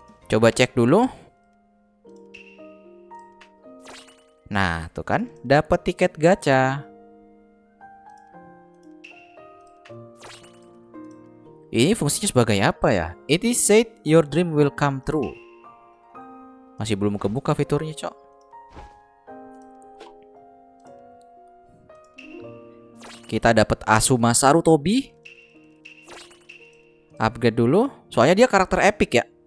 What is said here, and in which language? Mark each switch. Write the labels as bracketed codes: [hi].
[id] Coba cek dulu. Nah, tuh kan dapat tiket gacha. Ini fungsinya sebagai apa ya? [en] It is said your dream will come true. [id] Masih belum kebuka fiturnya, cok. Kita dapat Asuma Sarutobi. Upgrade dulu. Soalnya dia karakter epic ya.